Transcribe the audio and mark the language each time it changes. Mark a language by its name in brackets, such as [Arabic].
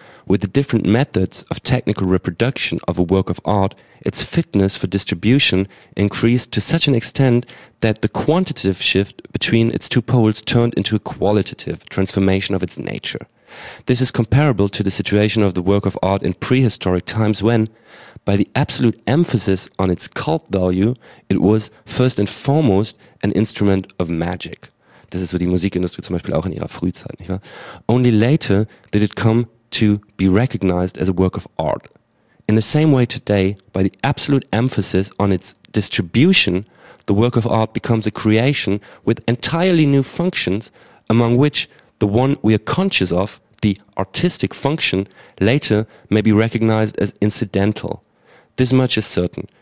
[English] With the different methods of technical reproduction of a work of art, its fitness for distribution increased to such an extent that the quantitative shift between its two poles turned into a qualitative transformation of its nature. This is comparable to the situation of the work of art in prehistoric times when, by the absolute emphasis on its cult value, it was first and foremost an instrument of magic. [German] Das ist so die Musikindustrie zum Beispiel auch in ihrer Frühzeit, nicht wahr? [English] Only later did it come to be recognized as a work of art. In the same way today, by the absolute emphasis on its distribution, the work of art becomes a creation with entirely new functions, among which the one we are conscious of, the artistic function, later may be recognized as incidental. This much is certain.